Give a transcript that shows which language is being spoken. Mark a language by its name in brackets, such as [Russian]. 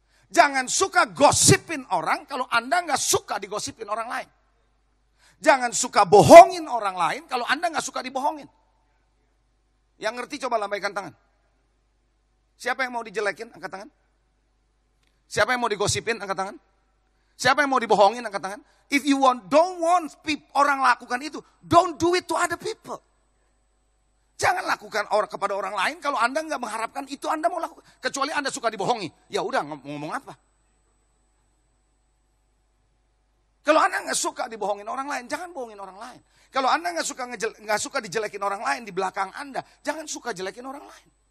[Indonesian] Jangan suka gosipin orang kalau Anda gak suka digosipin orang lain. Jangan suka bohongin orang lain kalau Anda gak suka dibohongin. Yang ngerti coba lambaikan tangan. Siapa yang mau dijelekin? Angkat tangan. Siapa yang mau digosipin? Angkat tangan. Siapa yang mau dibohongin? Angkat tangan. [English] If you want, don't want people, [Indonesian] orang lakukan itu, [English] don't do it to other people. [Indonesian] Jangan lakukan kepada orang lain kalau Anda gak mengharapkan itu Anda mau lakukan. Kecuali Anda suka dibohongi. Ya udah, ngomong apa? Kalau Anda gak suka dibohongin orang lain, jangan bohongin orang lain. Kalau Anda gak suka dijelekin orang lain di belakang Anda, jangan suka jelekin orang lain.